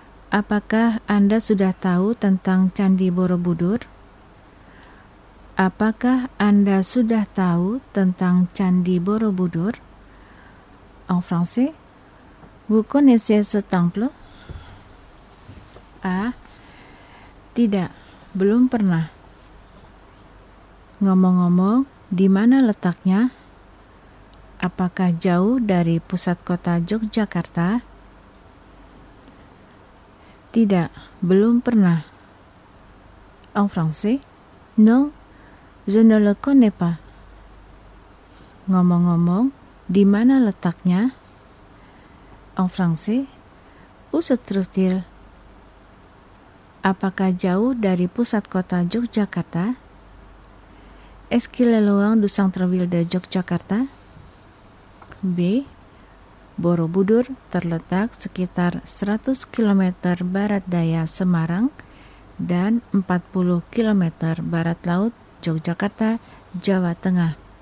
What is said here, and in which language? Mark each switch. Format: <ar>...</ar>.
<id>Apakah Anda sudah tahu tentang Candi Borobudur? Apakah Anda sudah tahu tentang Candi Borobudur?</id> <fr>En français, vous connaissez ce temple?</fr> <id>A. Tidak, belum pernah. Ngomong-ngomong, di mana letaknya? Apakah jauh dari pusat kota Yogyakarta? Tidak, belum pernah.</id> <fr>En français, non, je ne le connais pas.</fr> <id>Ngomong-ngomong, di mana letaknya?</id> <fr>En français, où se trouve-t-il?</fr> <id>Apakah jauh dari pusat kota Yogyakarta?</id> <fr>Est-ce qu'il est loin du centre-ville de Yogyakarta?</fr> <id>B. Borobudur terletak sekitar 100 km barat daya Semarang dan 40 km barat laut Yogyakarta, Jawa Tengah.</id>